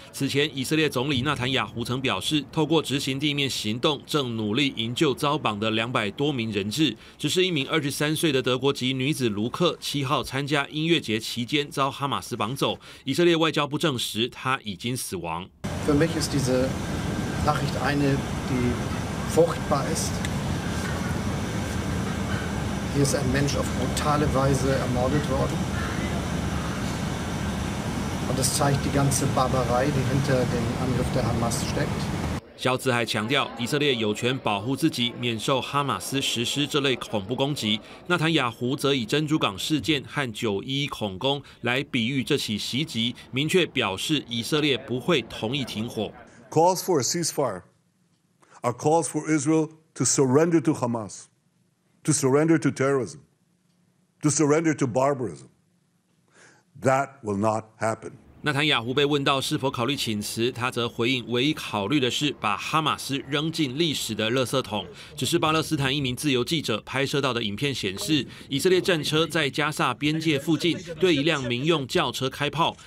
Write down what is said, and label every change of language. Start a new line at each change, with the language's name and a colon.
Chinese: 此前，以色列总理纳坦雅胡曾表示，透过执行地面行动，正努力营救遭绑的200多名人质。只是一名23岁的德国籍女子卢克，7号参加音乐节期间遭哈马斯绑走。以色列外交部证实，她已经死亡。
German: Für mich ist diese Nachricht eine, die furchtbar ist. Hier ist ein Mensch auf brutale Weise ermordet worden. Das zeigt die ganze Barbarei, die hinter dem Angriff der Hamas steckt.
Chinese: 肖兹还强调，以色列有权保护自己，免受哈马斯实施这类恐怖攻击。纳坦雅胡则以珍珠港事件和9/11恐攻来比喻这起袭击，明确表示以色列不会同意停火。
English: Calls for a ceasefire are calls for Israel to surrender to Hamas, to surrender to terrorism, to surrender to barbarism. That will not happen.
Chinese: 纳坦雅胡被问到是否考虑请辞，他则回应：“唯一考虑的是把哈马斯扔进历史的垃圾桶。” 只是巴勒斯坦一名自由记者拍摄到的影片显示，以色列战车在加萨边界附近对一辆民用轿车开炮。